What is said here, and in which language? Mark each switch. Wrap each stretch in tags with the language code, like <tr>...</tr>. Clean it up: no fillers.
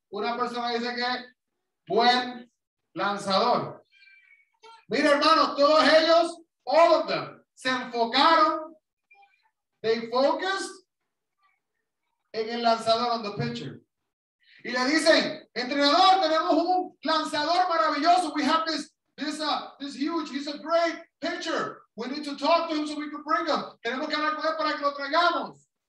<es>Una persona dice que es buen lanzador. Mira, hermano, todos ellos,</es> <en>all of them,</en> <es>se enfocaron.</es> <en>They focused</en> <es>en el lanzador,</es> <en>on the pitcher.</en> <es>Y le dicen, entrenador, tenemos un lanzador maravilloso.</es> <en>We have this huge, he's a great pitcher. We need to talk to him so we can bring him.</en> <es>Tenemos que hablar con él para que lo traigamos.</es>